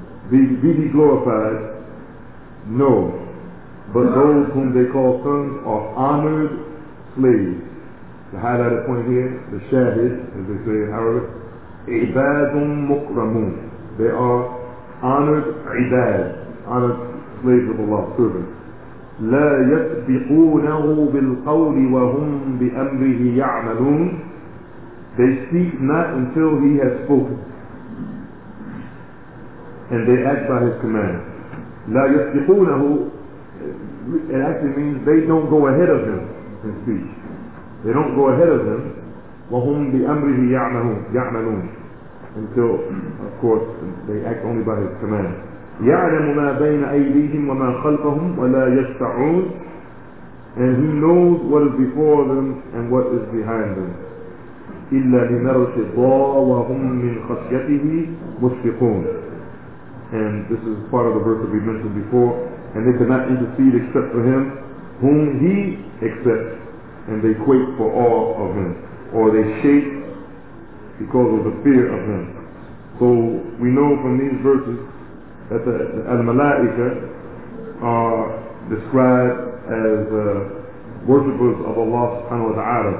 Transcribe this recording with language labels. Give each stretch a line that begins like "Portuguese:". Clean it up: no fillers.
English: Be he glorified? No. But those whom they call sons are honored slaves. The highlighted point here, the shahid, as they say in Arabic,
Arabic: عِبَادٌ مُقْرَمُونَ.
English: They are honored عِبَاد, honored slaves of Allah, servants.
Arabic: لا يسبقونه بالقول وهم بأمره يعملون.
English: They speak not until he has spoken, and they act by his command.
Arabic: لا يسبقونه,
English: it actually means they don't go ahead of him in speech. They don't go ahead of him.
Arabic: وهم بأمره يعملون.
English: Until, of course, they act only by his command.
Arabic: يعلم ما بين أيديهم وما خلفهم ولا يشفعون.
English: And he knows what is before them and what is behind them.
Arabic: إلا لمرتضى وهم من خشيته مشفقون.
English: And this is part of the verse that we mentioned before. And they cannot intercede except for him whom he accepts. And they quake for awe of him, or they shake because of the fear of him. So we know from these verses that the al-malaika are described as worshippers of Allah subhanahu wa ta'ala.